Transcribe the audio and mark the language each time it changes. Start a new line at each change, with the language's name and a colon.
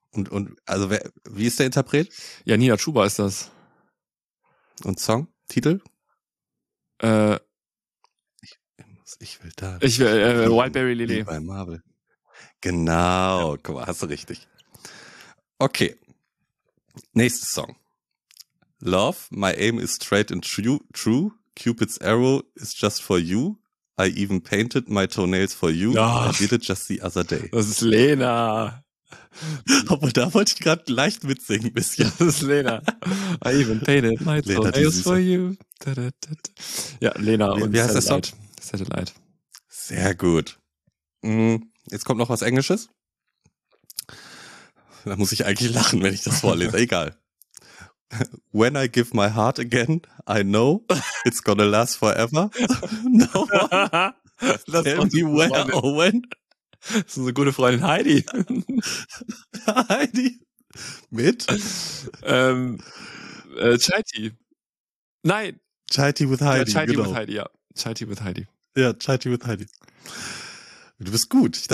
German: Und also wie ist der Interpret? Ja, Nina Chuba ist das. Und Song? Titel? Wildberry Lily. Bei Marvel. Genau, ja. Guck mal, hast du richtig. Okay. Nächster Song.
English: Love, my aim is straight and true. Cupid's arrow is just for you. I even painted my toenails for you. Oh, I did it just the other day.
German: Das ist Lena. Obwohl, da wollte ich gerade leicht mitsingen ein bisschen. Das ist Lena.
English: I even painted my toenails for you.
German: Da, da, da, da. Ja, Lena. Wie heißt das Wort?
English: Satellite.
German: Sehr gut. Jetzt kommt noch was Englisches. Da muss ich eigentlich lachen, wenn ich das vorlese. Egal.
English: When I give my heart again, I know it's gonna last forever. No one. Das tell me where or when.
German: Das ist unsere gute Freundin Heidi. Heidi. Mit? Chaiti. Nein. Chaiti with Heidi. Ja, Chaiti with Heidi, ja. Chaiti with Heidi. Ja, Chaiti with Heidi. Du bist gut.